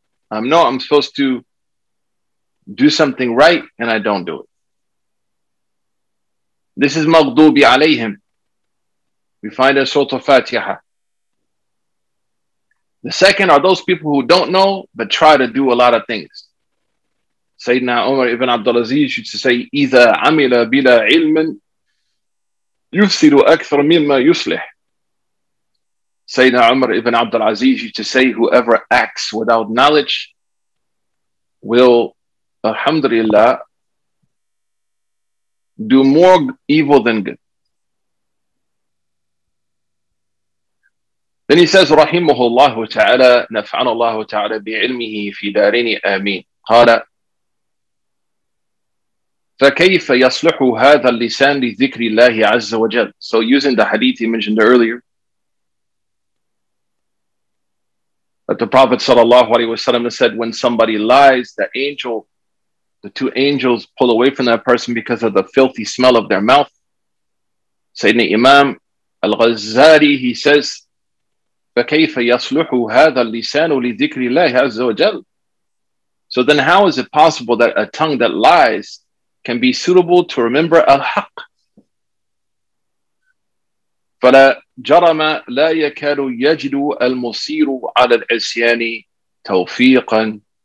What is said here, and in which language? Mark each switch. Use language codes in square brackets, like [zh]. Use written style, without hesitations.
[en] I know I'm supposed to do something right, and I don't do it. This is maghdubi alayhim. We find in Surah Al-Fatiha. The second are those people who don't know but try to do a lot of things. Sayyidina Umar ibn Abdulaziz used to say, [ar] إِذَا عَمِلَ بِلَا عِلْمٍ يُفْسِدُ أَكْثَرُ مِمَّا يُصْلِحُ. [en] Sayyidina Umar ibn Abdulaziz used to say, whoever acts without knowledge will, alhamdulillah, do more evil than good. Then he says, [ar] رَحِمُهُ اللَّهُ تَعَلَى نَفْعَنَ اللَّهُ تَعَلَى بِعِلْمِهِ فِي دَارِنِ آمِينَ قَالَ فَكَيْفَ يَصْلُحُ هَذَا اللِّسَانِ لِذِكْرِ اللَّهِ عَزَّ وَجَلْ. [en] So using the hadith he mentioned earlier, that the Prophet ﷺ said, when somebody lies, the angel the two angels pull away from that person because of the filthy smell of their mouth. Sayyidina Imam Al-Ghazali, he says, [ar] فَكَيْفَ يَصْلُحُ هَذَا اللِّسَانُ لِذِكْرِ اللَّهِ عَزَّ وَجَلْ. [en] So then how is it possible that a tongue that lies can be suitable to remember al-haq? [ar] فَلَا جَرَمَ لَا يَكَادُ يَجِدُ الْمُصِيرُ عَلَى الْعِسْيَانِ تَوْفِيقًا.